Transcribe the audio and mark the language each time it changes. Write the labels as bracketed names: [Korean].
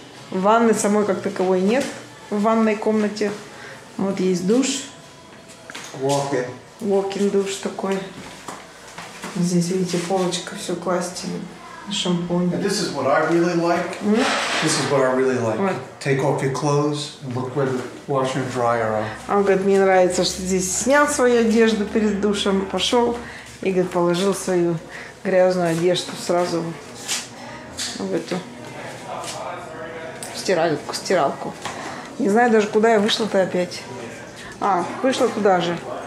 [Russian] Ванны самой как таковой нет в ванной комнате. Вот есть душ. [English] Walking. [Russian] Walking душ такой. Здесь, видите, полочка, все класти. Шампунь. [English] And this is what I really like. Mm-hmm. This is what I really like. What? Take off your clothes and look where the washer and dryer are. [Russian] Он говорит, мне нравится, что здесь снял свою одежду перед душем, пошел и говорит, положил свою грязную одежду сразу в эту стиралку. Не знаю даже, куда я вышла-то опять. А, вышла туда же.